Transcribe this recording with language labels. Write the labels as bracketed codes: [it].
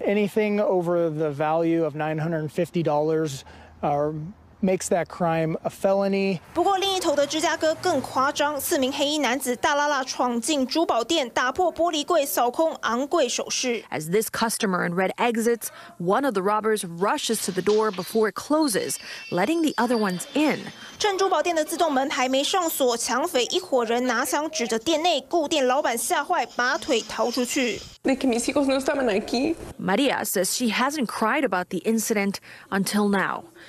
[en] Anything over the value of $950 are makes that crime a felony. [zh] 不过另一头的芝加哥更夸张，四名黑衣男子大喇喇闯进珠宝店，打破玻璃柜，扫空昂贵首饰。 [en] As this customer in red exits, one of the robbers rushes to the door before it closes, letting the other ones in. [zh] 趁珠宝店的自动门还没上锁，抢匪一伙人拿枪指着店内，顾店老板吓坏，拔腿逃出去。 [en] Maria says she hasn't cried about the incident until now.